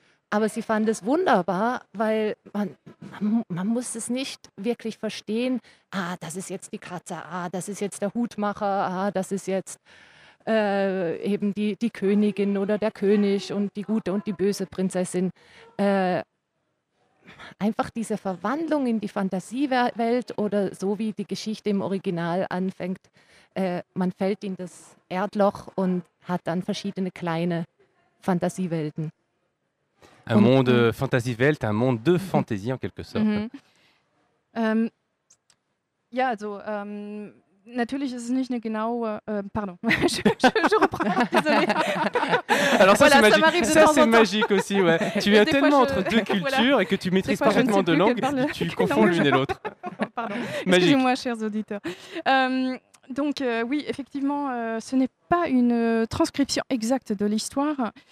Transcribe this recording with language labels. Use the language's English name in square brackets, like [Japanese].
[German] Aber sie fand es wunderbar, weil man muss es nicht wirklich verstehen, ah, das ist jetzt die Katze, ah, das ist jetzt der Hutmacher, ah, das ist jetzt eben die Königin oder der König und die gute und die böse Prinzessin. Einfach diese Verwandlung in die Fantasiewelt oder so wie die Geschichte im Original anfängt, man fällt in das Erdloch und hat dann verschiedene kleine Fantasiewelten. [French] Un monde Fantasiewelt, un monde de Fantasie en quelque sorte. Mm-hmm. [German] Ja, also natürlich ist es nicht eine genaue. [French] Pardon. je reprends. Désolé. Alors ça, voilà, c'est magique. Ça c'est magique aussi, ouais. Tu es tellement entre deux cultures et que tu maîtrises parfaitement deux langues, tu confonds l'une et l'autre. Pardon. Magique. Excusez-moi, chers auditeurs. Donc oui, effectivement, ce n'est pas une transcription exacte de l'histoire.